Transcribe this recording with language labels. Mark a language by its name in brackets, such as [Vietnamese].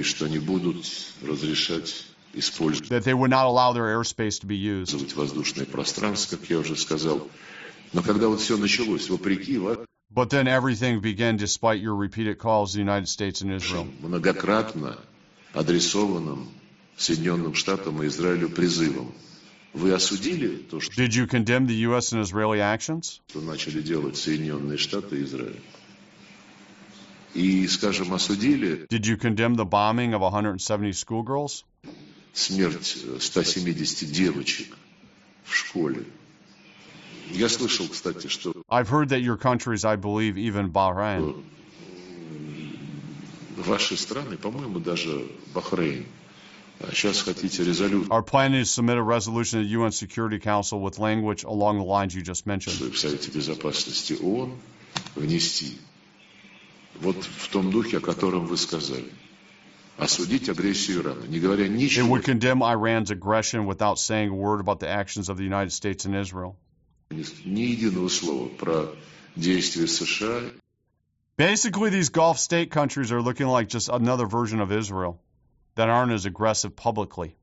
[English] That they would not allow their airspace to be used. But then everything began despite your repeated calls to the United States and Israel. [Russian] Многократно адресованным Соединенным Штатам и Израилю призывом. Вы осудили то, что... [English] Did you condemn the U.S. and Israeli actions? [Russian] Что начали делать Соединенные Штаты и Израиль. И, скажем, осудили... [English] Did you condemn the bombing of 170 schoolgirls? [Russian] Смерть 170 девочек в школе. Я слышал, кстати, что... [English] I've heard that your countries, I believe, even Bahrain. [Russian] Ваши страны, по-моему, даже Бахрейн. Сейчас хотите резолюцию... [English] Are planning to submit a resolution to the UN Security Council with language along the lines you just mentioned. [Russian] ...в Совете Безопасности ООН внести. Вот в том духе, о котором вы сказали. Осудить агрессию Ирана, не говоря ничего. [English] It would condemn Iran's aggression without saying a word about the actions of the United States and Israel. [Russian] Ни единого слова про действия США. [English] Basically, these Gulf state countries are looking like just another version of Israel that aren't as aggressive publicly.